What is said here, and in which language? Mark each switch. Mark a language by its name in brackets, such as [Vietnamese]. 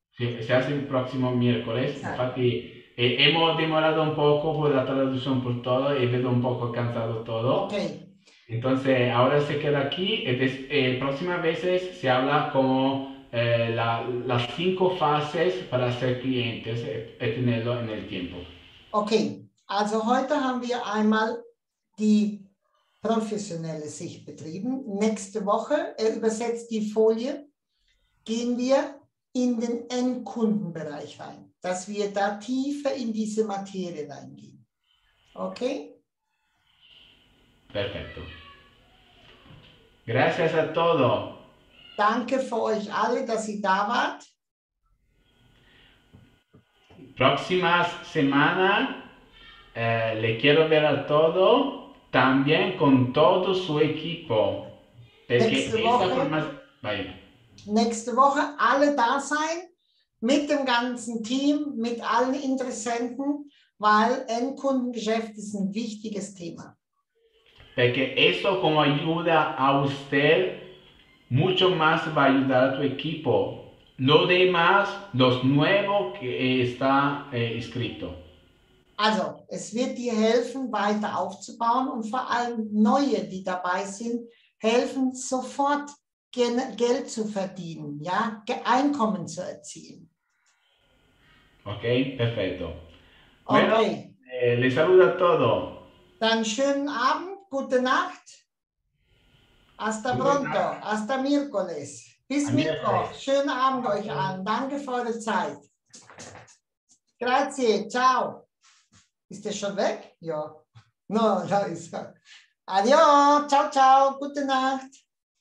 [Spanish] Sí, se hace el próximo miércoles. Exacto. Infatti, hemos demorado un poco por la traducción, por todo, y veo un poco cansado todo. Ok. Entonces, ahora se queda aquí. Próximas veces se habla como las cinco fases para ser clientes y tenerlo en el tiempo. Ok. [German] Also, heute haben wir einmal die professionelle Sicht betrieben. Nächste Woche, er übersetzt die Folie, gehen wir in den Endkundenbereich rein, dass wir da tiefer in diese Materie reingehen. Okay? [Spanish] Perfetto. Gracias a todo. [German] Danke für euch alle, dass ihr da wart. [Spanish] Próxima semana le quiero ver a todo. También con todo su equipo. [German] Nächste Woche alle da sein. mit dem ganzen Team, mit allen Interessenten, weil Endkundengeschäft ist ein wichtiges Thema. [Spanish] Porque eso como ayuda a usted, mucho más va a ayudar a tu equipo. Lo demás, los nuevos que está escrito. [German] Also, es wird dir helfen, weiter aufzubauen und vor allem neue, die dabei sind, helfen, sofort Geld zu verdienen, ja, Einkommen zu erzielen. [Spanish] Okay, perfecto. Okay. Bueno, les saluda todo. [German] Dann schönen Abend, gute Nacht. [Spanish] Hasta pronto, hasta miércoles. [German] Bis Mittwoch. Schönen Abend euch allen. Danke für eure Zeit. [Italian] Grazie, ciao. [German] Ist der schon weg? Ja. No, da ist er. Adios, ciao, ciao, gute Nacht.